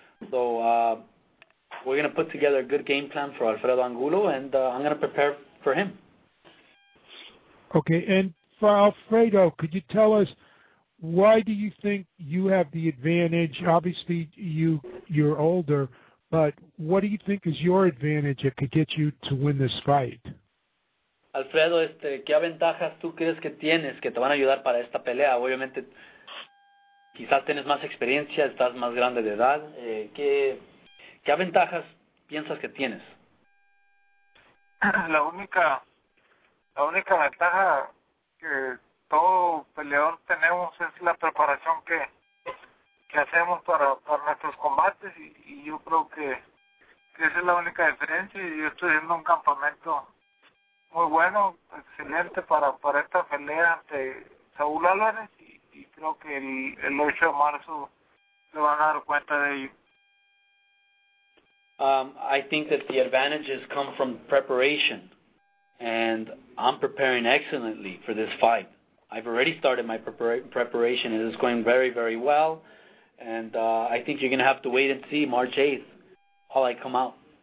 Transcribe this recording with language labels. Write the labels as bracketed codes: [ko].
[en] So we're going to put together a good game plan for Alfredo Angulo, and I'm going to prepare for him. Okay, and for Alfredo, could you tell us why do you think you have the advantage? Obviously, you're older, but what do you think is your advantage that could get you to win this fight? [es] Alfredo, ¿qué ventajas tú crees que tienes que te van a ayudar para esta pelea? Obviamente, quizás tienes más experiencia, estás más grande de edad. ¿Qué ventajas piensas que tienes? La única ventaja que todo peleador tenemos es la preparación que hacemos para nuestros combates y yo creo que esa es la única diferencia. Y yo estoy viendo un campamento muy bueno, excelente para esta pelea ante Saúl Álvarez, y creo que el 8 de marzo se van a dar cuenta de ello. [en] I think that the advantages come from preparation, and I'm preparing excellently for this fight. I've already started my preparation. It is going very, very well, and I think you're going to have to wait and see March 8th while I come out.